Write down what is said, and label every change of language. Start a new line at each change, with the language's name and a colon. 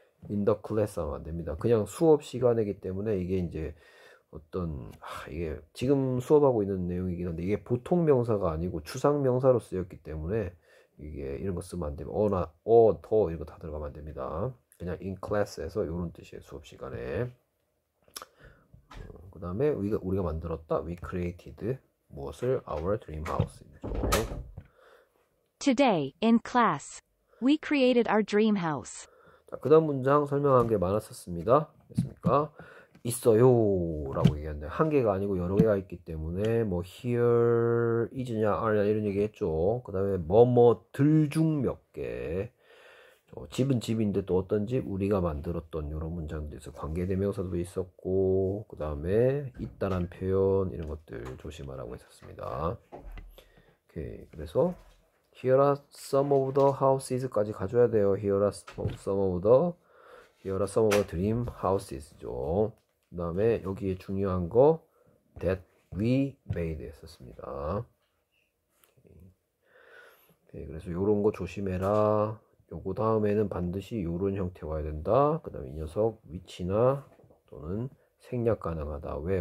English: In the class
Korean: 하면 안 됩니다. 그냥 수업 시간이기 때문에 이게 이제 어떤, 이게 지금 수업하고 있는 내용이긴 한데 이게 보통 명사가 아니고 추상 명사로 쓰였기 때문에 이게 이런 거 쓰면 안 됩니다. 어나, 어, 더 이런 거다 들어가면 안 됩니다. 그냥
English: in class
Korean: 에서 이런 뜻이에요, 수업 시간에. 그 다음에 우리가 만들었다.
English: We created
Korean: 무엇을?
English: Our dream house이죠. Today, in class, we created our dream house.
Korean: 자, 그 다음 문장 설명한 게 많았었습니다. 됐습니까? 있어요라고 얘기했는데 한 개가 아니고 여러 개가 있기 때문에 뭐 here, is냐, are냐 이런 얘기 했죠. 그 다음에 뭐뭐들 중몇 개. 집은 집인데 또 어떤 집? 우리가 만들었던 이런 문장들에서 관계대명사도 있었고, 그 다음에 있다란 표현 이런 것들 조심하라고 했었습니다.
English: 오케이, 그래서 Here are some of the houses
Korean: 까지 가져야 돼요.
English: Here are some of the dream houses죠.
Korean: 그 다음에 여기에 중요한 거
English: that we made
Korean: 했었습니다. 오케이, 그래서 이런 거 조심해라. 요거 다음에는 반드시 요런 형태 와야 된다. 그 다음에 이 녀석 위치나 또는 생략 가능하다. 왜?